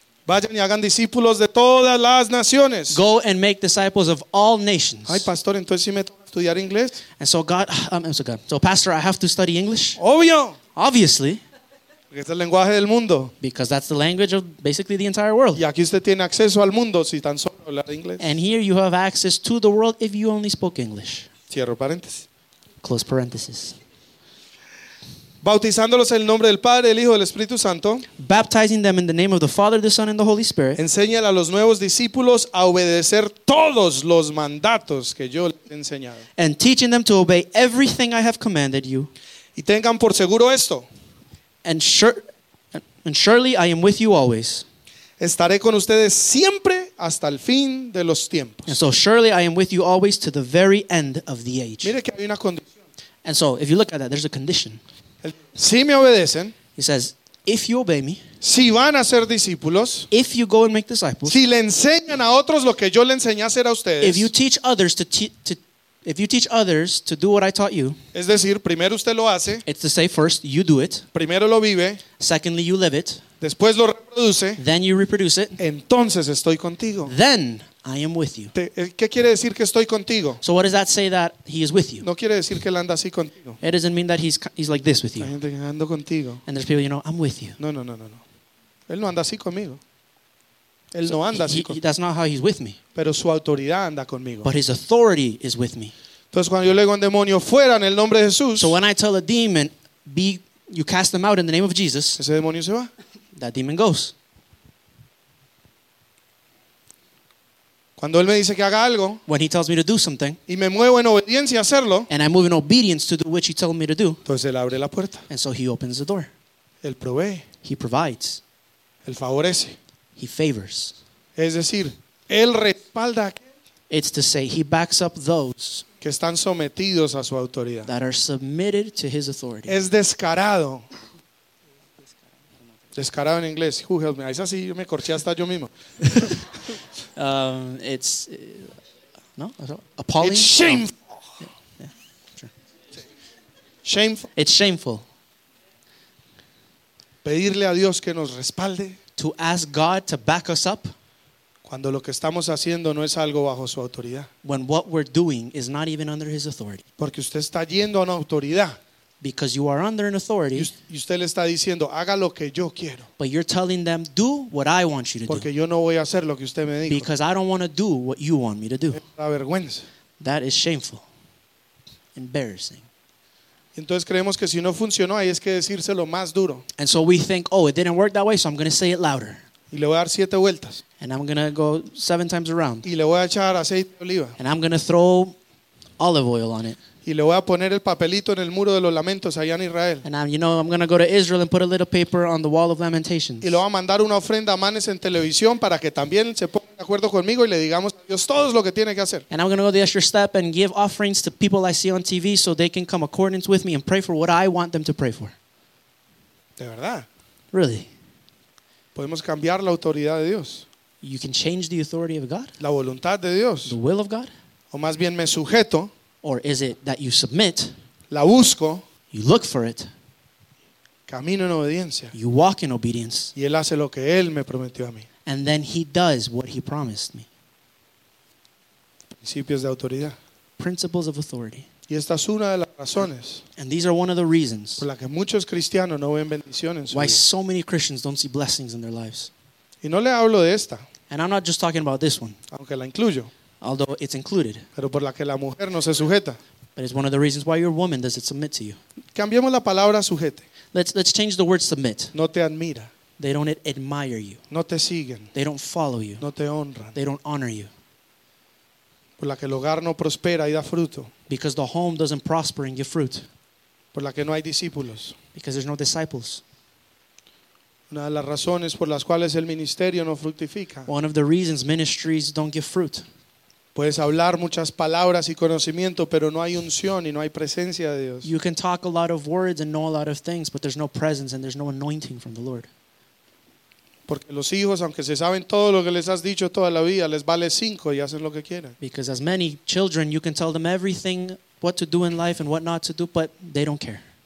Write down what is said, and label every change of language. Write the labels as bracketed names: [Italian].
[Spanish] Vayan y hagan discípulos de todas las naciones. [English] Go and make disciples of all nations. [Spanish] Ay, pastor, entonces sí me toca estudiar inglés. [English] And so God, so pastor, I have to study English? [Spanish] Obvio. [English] Obviously. [Spanish] Porque es el lenguaje del mundo. [English] Because that's the language of basically the entire world. [Spanish] Y aquí usted tiene acceso al mundo si tan solo habla inglés. [English] And here you have access to the world if you only spoke English. [Spanish] Cierro paréntesis. [English] Close parenthesis. [Spanish] Bautizándolos en el nombre del Padre, el Hijo y del Espíritu Santo. [English] Baptizing them in the name of the Father, the Son, and the Holy Spirit. [Spanish] Enséñale a los nuevos discípulos a obedecer todos los mandatos que yo les he enseñado. [English] And teaching them to obey everything I have commanded you. [Spanish] Y tengan por seguro esto. [English] And surely I am with you always. [Spanish] Estaré con ustedes siempre hasta el fin de los tiempos. [English] And so surely I am with you always to the very end of the age. [Spanish] Mire que hay una condición. [English] And so if you look at that, there's a condition. [Spanish] Si me obedecen, [English] he says, if you obey me, [Spanish] si van a ser discípulos, [English] if you go and make disciples, [Spanish] si le enseñan a otros lo que yo le enseñé a hacer a ustedes, [English] if you teach others to do what I taught you, [Spanish] es decir, primero usted lo hace, [English] it's to say first you do it, [Spanish] primero lo vive, [English] secondly you live it, [Spanish] después lo reproduce, [English] then you reproduce it, [Spanish] entonces estoy contigo, [English] then I am with you. [Spanish] ¿Qué quiere decir que estoy contigo? [English] So what does that say that he is with you? [Spanish] No quiere decir que él anda así contigo. [English] It doesn't mean that he's like this with you. [Spanish] Ando contigo. [English] And there's people, you know, I'm with you. [Spanish] No. Él no anda así conmigo. Él so no anda así conmigo. [English] That's not how he's with me. [Spanish] Pero su autoridad anda conmigo. [English] But his authority is with me. [Spanish] Entonces cuando yo le digo a un demonio fuera en el nombre de Jesús. [English] So when I tell a demon, you cast them out in the name of Jesus. [Spanish] Ese demonio se va. [English] That demon goes. [Spanish] Cuando él me dice que haga algo, [English] when he tells me to do something, [Spanish] y me muevo en obediencia a hacerlo, [English] and I move in obedience to do what he told me to do, [Spanish] entonces él abre la puerta. [English] And so he opens the door. [Spanish] Él provee. [English] He provides. [Spanish] Él favorece. [English] He favors. [Spanish] Es decir, él respalda. [English] It's to say he backs up those [Spanish] que están sometidos a su autoridad. [English] That are submitted to his authority. [Spanish] Es descarado. Descarado en inglés. [English] Who helped me? [Spanish] Es así, yo me corché hasta yo mismo. [English] Appalling. It's shameful. Shameful. It's shameful. [Spanish] Pedirle a Dios que nos respalde. [English] To ask God to back us up. [Spanish] Cuando lo que estamos haciendo no es algo bajo su autoridad. [English] When what we're doing is not even under his authority. [Spanish] Porque usted está yendo a una autoridad. [English] Because you are under an authority. [Spanish] Y usted le está diciendo, haga lo que yo quiero. [English] But you're telling them, do what I want you to [Spanish] porque Yo no voy a hacer lo que usted me dijo. [English] Because I don't want to do what you want me to do. [Spanish] Es una vergüenza. [English] That is shameful. Embarrassing. [Spanish] Entonces creemos que si no funcionó, ahí es que decírselo más duro. [English] And so we think, oh, it didn't work that way, so I'm going to say it louder. [Spanish] Y le voy a dar siete vueltas. [English] And I'm going to go seven times around. [Spanish] Y le voy a echar aceite de oliva. [English] And I'm going to throw olive oil on it. [Spanish] Y le voy a poner el papelito en el muro de los lamentos allá en Israel. [English] And I'm, you know, I'm going to go to Israel and put a little paper on the wall of lamentations. [Spanish] Y le voy a mandar una ofrenda a manes en televisión para que también se ponga de acuerdo conmigo y le digamos a Dios todo lo que tiene que hacer. [English] And I'm going to go the extra step and give offerings to people I see on TV so they can come accordance with me and pray for what I want them to pray for. [Spanish] De verdad. [English] Really. [Spanish] Podemos cambiar la autoridad de Dios. [English] You can change the authority of God. [Spanish] La voluntad de Dios. [English] The will of God. [Spanish] O más bien me sujeto. [English] Or is it that you submit? [Spanish] La busco. [English] You look for it. [Spanish] Camino en obediencia. [English] You walk in obedience. [Spanish] Y él hace lo que él me prometió a mí. [English] And then he does what he promised me. [Spanish] Principios de autoridad. [English] Principles of authority. [Spanish] Y esta es una de las razones. [English] And these are one of the reasons. [Spanish] Por la que muchos cristianos no ven bendición en su [English] why [Spanish] vida. [English] So many Christians don't see blessings in their lives. [Spanish] Y no le hablo de esta. [English] And I'm not just talking about this one. [Spanish] Aunque la incluyo. [English] Although it's included. [Spanish] Pero por la que la mujer no se sujeta. [English] But it's one of the reasons why your woman doesn't submit to you. [Spanish] Cambiemos la palabra sujete. [English] Let's change the word submit. [Spanish] No te admira. [English] They don't admire you. [Spanish] No te siguen. [English] They don't follow you. [Spanish] No te honran. [English] They don't honor you. [Spanish] Por la que el hogar no prospera y da fruto. [English] Because the home doesn't prosper and give fruit. [Spanish] Por la que no hay discípulos. [English] Because there's no disciples. [Spanish] Una de las razones por las cuales el ministerio no fructifica. [English] One of the reasons ministries don't give fruit. [Spanish] Puedes hablar muchas palabras y conocimiento, pero no hay unción y no hay presencia de Dios. [English] You can talk a lot of words and know a lot of things, but there's no presence and there's no anointing from the Lord. [Spanish] Porque los hijos, aunque se saben todo lo que les has dicho toda la vida, les vale cinco y hacen lo que quieran. [English] Because as many children, you can tell them everything, what to do in life and what not to do, but they don't care.